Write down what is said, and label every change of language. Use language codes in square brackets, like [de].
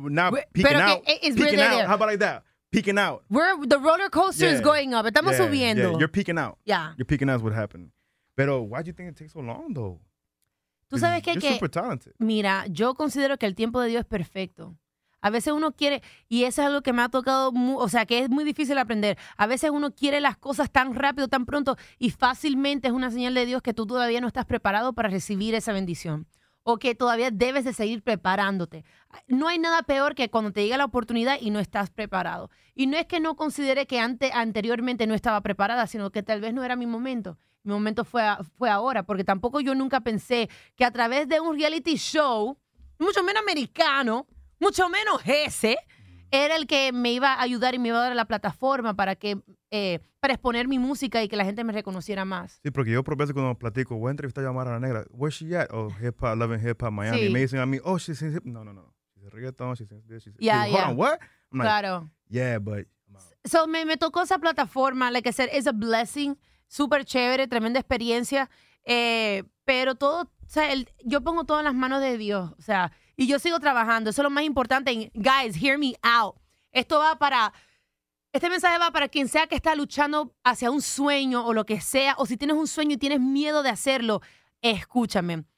[en] But now, peaking out. How about like that? Peaking out. The roller coaster is going up. [es] Estamos subiendo. [en] Yeah. You're peaking out. Yeah. You're peaking out is what happened. [es] Pero [en] why do you think it takes so long, though? [es] Tú sabes que... [en] You're super talented. [es] Mira, yo considero que el tiempo de Dios es perfecto. A veces uno quiere... Y eso es algo que me ha tocado... que es muy difícil aprender. A veces uno quiere las cosas tan rápido, tan pronto, y fácilmente es una señal de Dios que tú todavía no estás preparado para recibir esa bendición. O que todavía debes de seguir preparándote. No hay nada peor que cuando te llega la oportunidad y no estás preparado. Y no es que no considere que anteriormente no estaba preparada, sino que tal vez no era mi momento. Mi momento fue ahora, porque tampoco yo nunca pensé que a través de un reality show, mucho menos americano, mucho menos ese, era el que me iba a ayudar y me iba a dar la plataforma para exponer mi música y que la gente me reconociera más. Sí, porque yo por veces cuando platico, voy a entrevistar a Amara La Negra, [en] where's she at? Oh, hip hop, loving hip hop, Miami. Sí. [es] Me dicen a mí, [en] oh, she's in hip hop. No. She's in reggaeton, she's in hold on, what? Like, claro. Yeah, but... [es] So me tocó esa plataforma, [en] like I said, it's a blessing, [es] super chévere, tremenda experiencia, pero todo, o sea, yo pongo todo en las manos de Dios, o sea, y yo sigo trabajando, eso es lo más importante. [en] Guys, hear me out. [es] Este mensaje va para quien sea que está luchando hacia un sueño o lo que sea, o si tienes un sueño y tienes miedo de hacerlo, escúchame.